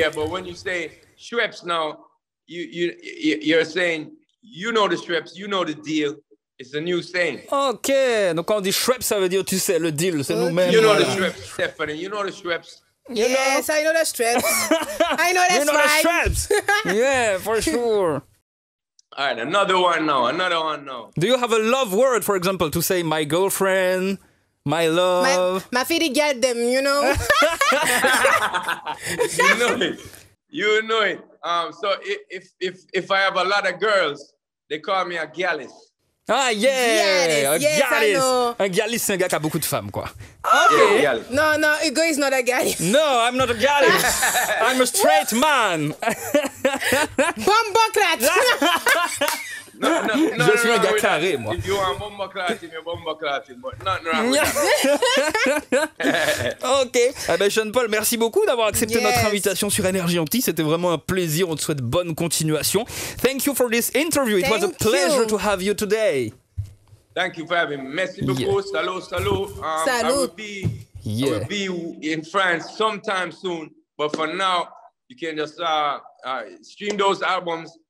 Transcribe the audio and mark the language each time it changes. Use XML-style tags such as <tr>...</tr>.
<en>Yeah, but when you say Schweppes now, you're saying... You know the Schweppes, you know the deal. It's a new saying.</en> <fr>Ok, donc quand on dit Schweppes, ça veut dire</fr> <en>tu sais, le deal,</en> <fr>c'est nous-mêmes.</fr> <en>You know the Schweppes, Stephanie, you know the Schweppes. Yes, I know the Schweppes. I know that's right. You know the Schweppes. Yeah, for sure. All right, another one now. Do you have a love word, for example, to say my girlfriend, my love? My feet get them, you know. You know it. So if I have a lot of girls, they call me a gyalis. Ah, yeah! Gyalis!</en> <fr>A gyalis, c'est un gars qui a beaucoup de femmes, quoi.</fr> <en>Okay! No, Hugo is not a gyalis. No, I'm not a gyalis. I'm a straight man. Bombocrat! No,</en> <fr>je suis un gars carré, moi.</fr> <en>If you want bombocrat, you're bombocrat, but nothing wrong with that. Okay.</en> <fr>Eh ben, Sean Paul, merci beaucoup d'avoir accepté notre invitation sur Energy Anti. C'était vraiment un plaisir. On te souhaite bonne continuation.</fr> <en>Thank you for this interview. It was a pleasure to have you today. Thank you for having me.</en> <fr>Merci beaucoup. Salut.</fr> <en>I will be in France sometime soon. But for now, you can just stream those albums.</en>